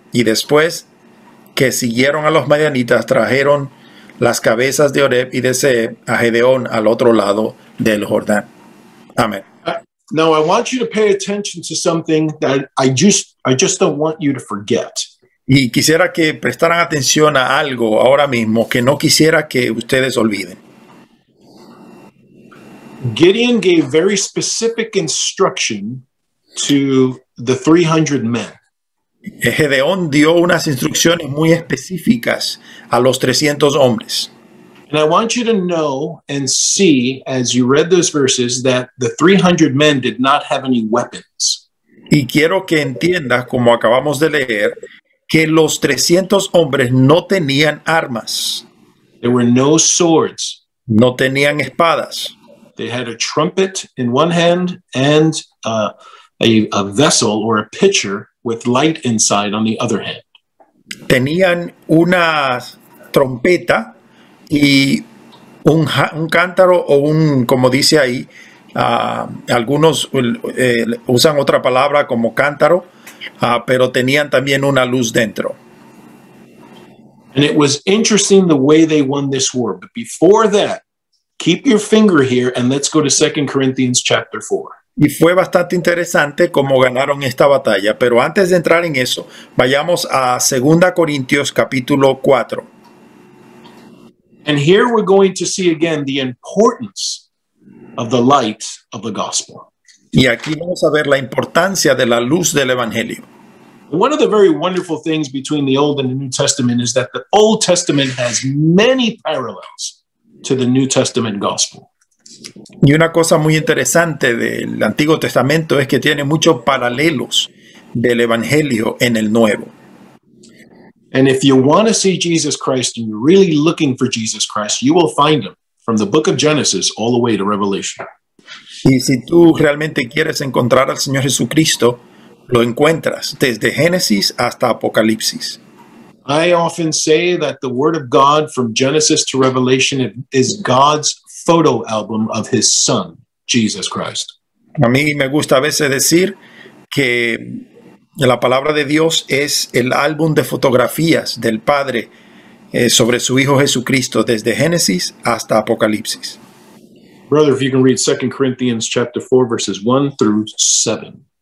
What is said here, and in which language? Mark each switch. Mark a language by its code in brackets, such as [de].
[es] Y después que siguieron a los madianitas, trajeron las cabezas de Oreb y de Zeeb a Gedeón al otro lado del Jordán. Amén. [en] Now I want you to pay attention to something that I just don't want you to forget. [es] Y quisiera que prestaran atención a algo ahora mismo que no quisiera que ustedes olviden. [en] Gideon gave very specific instruction to the 300 men. [es] Gedeón dio unas instrucciones muy específicas a los 300 hombres. [en] And I want you to know and see, as you read those verses, that the 300 men did not have any weapons. [es] Y quiero que entiendas, como acabamos de leer, que los 300 hombres no tenían armas. [en] There were no swords. [es] No tenían espadas. [en] They had a trumpet in one hand and a vessel or a pitcher with light inside on the other hand. [es] Tenían una trompeta y un cántaro, o un, como dice ahí, Algunos usan otra palabra como cántaro, pero tenían también una luz dentro. [en] And it was interesting the way they won this war. But before that, keep your finger here and let's go to 2 Corinthians chapter 4. [es] Y fue bastante interesante cómo ganaron esta batalla. Pero antes de entrar en eso, vayamos a 2 Corintios capítulo 4. [en] And here we're going to see again the importance of the light of the gospel. [es] Y aquí vamos a ver la importancia de la luz del evangelio. [en] One of the very wonderful things between the Old and the New Testament is that the Old Testament has many parallels to the New Testament gospel. [es] Y una cosa muy interesante del Antiguo Testamento es que tiene muchos paralelos del evangelio en el Nuevo. [en] And if you want to see Jesus Christ and you're really looking for Jesus Christ, you will find him from the book of Genesis all the way to Revelation. [es] Y si tú realmente quieres encontrar al Señor Jesucristo, lo encuentras desde Génesis hasta Apocalipsis. [en] I often say that the word of God from Genesis to Revelation is God's photo album of his son, Jesus Christ. [es] A mí me gusta a veces decir que la palabra de Dios es el álbum de fotografías del Padre sobre su Hijo Jesucristo desde Génesis hasta Apocalipsis. [en] Brother, if you can read 2 Corinthians chapter 4, verses 1 through 7.